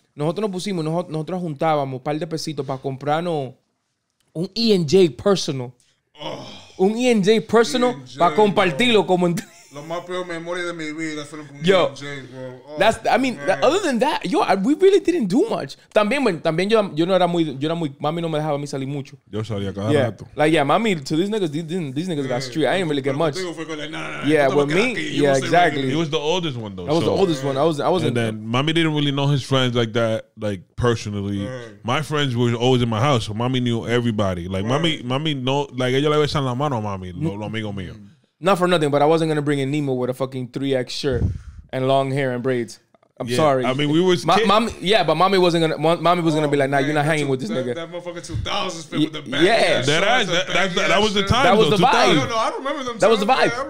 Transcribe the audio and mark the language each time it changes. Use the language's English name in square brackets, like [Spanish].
[Spanish] Nosotros nos pusimos, nosotros juntábamos un par de pesitos para comprarnos un E&J personal. Oh, un E&J personal para compartirlo como en... Lo más peor memoria de mi vida fue con E&J, bro. Oh, [English] that's, I mean, man. Other than that, yo, we really didn't do much. [Spanish] También yo no era muy, mami no me dejaba a mí salir mucho. Yo salía cada rato. [English] Like, yeah, mami, to these niggas got street. I didn't really get much. Exactly. He was the oldest one, though. I was the oldest one. I was And then mami didn't really know his friends like that, like, personally. Man. My friends were always in my house, so mami knew everybody. [Spanish] Like, mami no, like, ella le besan la mano a mami, lo amigo mío. [English] Not for nothing, but I wasn't gonna bring in Nemo with a fucking 3X shirt and long hair and braids. I'm sorry. I mean, we was but mommy wasn't gonna. Mommy was gonna be like, "Nah, you're not hanging with this nigga." That motherfucker 2000s fit with the bad. Yeah, that was the time. No, I remember them. That was the vibe.